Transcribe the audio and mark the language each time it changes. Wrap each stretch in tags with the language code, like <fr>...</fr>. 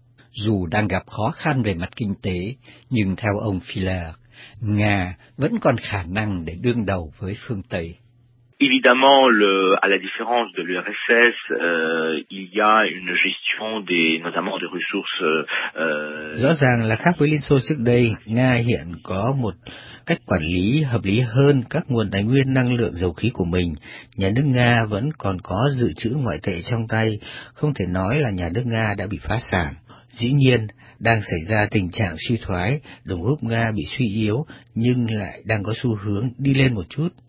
<vi>Dù đang gặp khó khăn về mặt kinh tế, nhưng theo ông Filler, Nga vẫn còn khả năng để đương đầu với phương Tây.</vi> <fr>Évidemment, à la différence de l'URSS, il y a une gestion des, notamment des ressources.</fr> <vi>Rõ ràng là khác với Liên Xô trước đây, Nga hiện có một cách quản lý hợp lý hơn các nguồn tài nguyên năng lượng dầu khí của mình. Nhà nước Nga vẫn còn có dự trữ ngoại tệ trong tay, không thể nói là nhà nước Nga đã bị phá sản. Dĩ nhiên, đang xảy ra tình trạng suy thoái, đồng rúp Nga bị suy yếu, nhưng lại đang có xu hướng đi lên một chút.</vi>